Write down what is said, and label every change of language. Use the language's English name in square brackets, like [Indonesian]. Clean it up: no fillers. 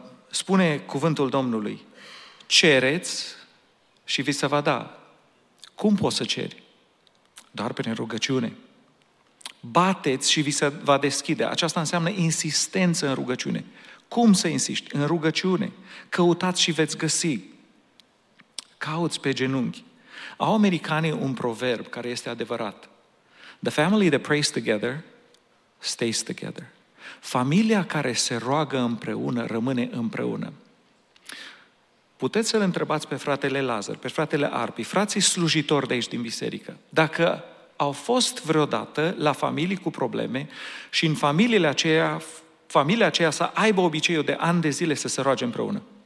[Romanian] Spune cuvântul Domnului, cereți și vi se va da. Cum poți să ceri? Doar prin rugăciune. Bateți și vi se va deschide. Aceasta înseamnă insistență în rugăciune. Cum să insiști? În rugăciune. Căutați și veți găsi. Cauți pe genunchi. Au americanii un proverb care este adevărat. [English] The family that prays together stays together. [Romanian] Familia care se roagă împreună rămâne împreună. Puteți să-l întrebați pe fratele Lazar, pe fratele Arpi, frații slujitori de aici din biserică, dacă au fost vreodată la familii cu probleme și în familiile aceia, familia aceea să aibă obiceiul de ani de zile să se roage împreună.